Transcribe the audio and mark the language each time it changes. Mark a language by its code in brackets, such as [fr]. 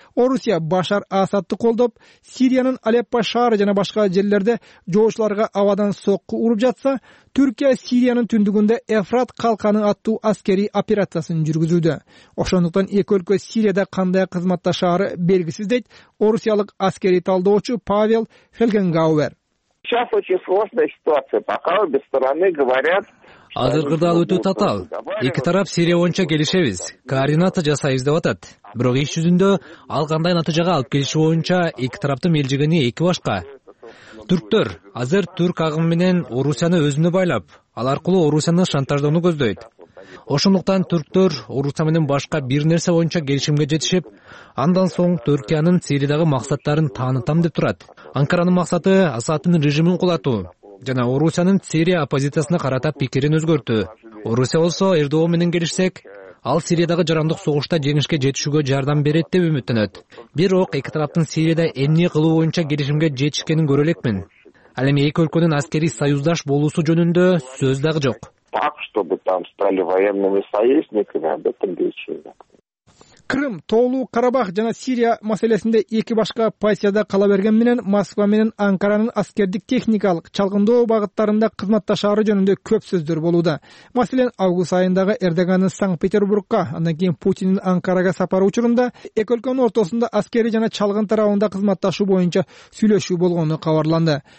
[ky] Орусия Башар Асадды колдоп, Сириянын Алеппо шаары жана башка жерлерде жоочуларга абадан сокку уруп жатса, Түркия Сириянын түндүгүндө Эфрат калканы аттуу аскерий операциясын жүргүзүүдө. Ошондуктан эки өлкө Сирияда кандай кызматташары белгисиз, дейт орусиялык аскерий талдоочу Павел Фелгенгауэр. [ru] Сейчас очень сложная ситуация. Пока обе стороны говорят, [ky] азыркы да өтө татаал. Эки тарап Сирия боюнча келишебиз, координация жасайбыз деп атат. Бирок иш жүзүндө ал кандай натыйжага алып келиши боюнча эки тараптын элжигини эки башка. Түрктөр азыр түрк агымы менен Орусияны өзүнө байлап, ал аркылуу Орусияны шантаждоону көздөйт. Ошондуктан түрктөр Орусия менен башка бир нерсе боюнча келишимге жетишип, андан соң Түркиянын Сириядагы максаттарын таанытам деп турат. Анкаранын максаты Асадтын режимин кулатуу жана Орусиянын Сирия оппозициясына карата пикирин өзгөртүү. Орусия болсо Эрдоган менен келишсек, ал Сириядагы жарандык согушта жеңишке жетишүүгө жардам берет деп үмүттөнөт. Бирок эки тараптын Сирияда эмне кылуу боюнча келишимге жетишкенин көрө элекмин. Ал эми эки өлкөнүн аскерий союздаш болуусу жөнүндө сөз дагы жок. [ru] Так, чтобы там стали военными союзниками, об этом речи нет. [ky] Крым, Тоолуу Карабах жана Сирия маселесинде эки башка позицияда кала берген менен Москва менен Анкаранын аскердик техникалык чалгындоо багыттарында кызматташары жөнүндө көп сөздөр болууда. Маселен, август айындагы Эрдогандын Санкт-Петербургка, андан кийин Путиндин Анкарага сапары учурунда эки өлкөнүн ортосунда аскери жана чалгын тарабында кызматташуу боюнча сүйлөшүү болгону кабарланды.